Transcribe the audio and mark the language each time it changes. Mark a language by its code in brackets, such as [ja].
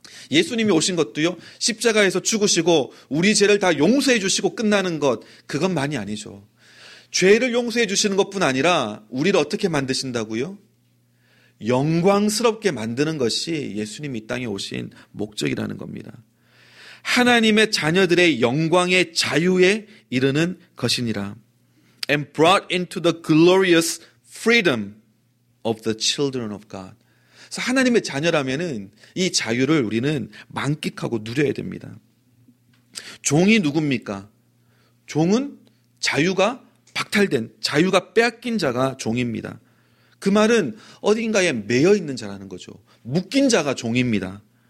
[ko] 예수님이 오신 것도요, 십자가에서 죽으시고 우리 죄를 다 용서해 주시고 끝나는 것, 그것만이 아니죠. 죄를 용서해 주시는 것뿐 아니라 우리를 어떻게 만드신다고요? 영광스럽게 만드는 것이 예수님이 이 땅에 오신 목적이라는 겁니다. 하나님의 자녀들의 영광의 자유에 이르는 것이니라. [en] And brought into the glorious freedom of the children of God. [ko] 그래서 하나님의 자녀라면은 이 자유를 우리는 만끽하고 누려야 됩니다. 종이 누굽니까? 종은 자유가 박탈된, 자유가 빼앗긴 자가 종입니다. 그 말은 어딘가에 매여 있는 자라는 거죠. 묶인 자가 종입니다.